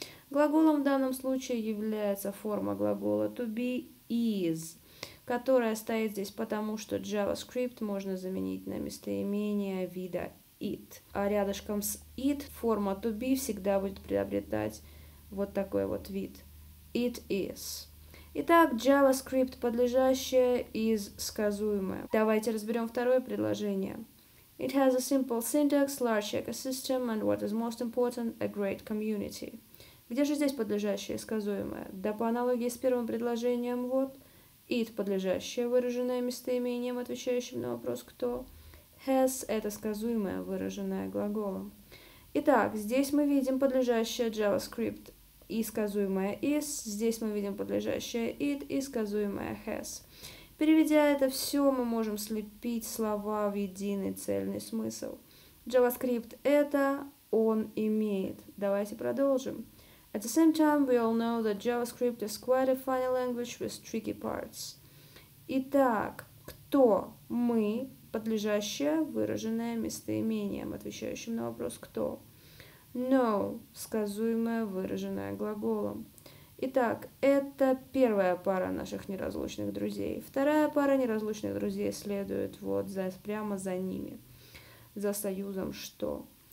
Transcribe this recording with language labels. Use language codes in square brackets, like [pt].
[ru] Глаголом в данном случае является форма глагола [en] «to be is», [ru] которая стоит здесь потому, что JavaScript можно заменить на местоимение вида «it». А рядышком с «it» форма «to be» всегда будет приобретать вот такой вот вид [en] «it is». [ru] Итак, JavaScript подлежащее is сказуемое. Давайте разберем второе предложение. [en] It has a simple syntax, large ecosystem, and what is most important, a great community. [ru] Где же здесь подлежащее сказуемое? Да по аналогии с первым предложением, вот. It подлежащее, выраженное местоимением, отвечающим на вопрос «кто?». Has – это сказуемое, выраженное глаголом. Итак, здесь мы видим подлежащее JavaScript и сказуемое is, здесь мы видим подлежащее it и сказуемое has. Переведя это все, мы можем слепить слова в единый цельный смысл. JavaScript — это, он имеет. Давайте продолжим. [en] At the same time, we all know that JavaScript is quite a funny language with tricky parts. [ru] Итак, кто? Мы, подлежащее, выраженное местоимением, отвечающим на вопрос «кто?». No – сказуемое, выраженное глаголом. Итак, это первая пара наших неразлучных друзей. Вторая пара неразлучных друзей следует вот за, прямо за ними, за союзом «что?».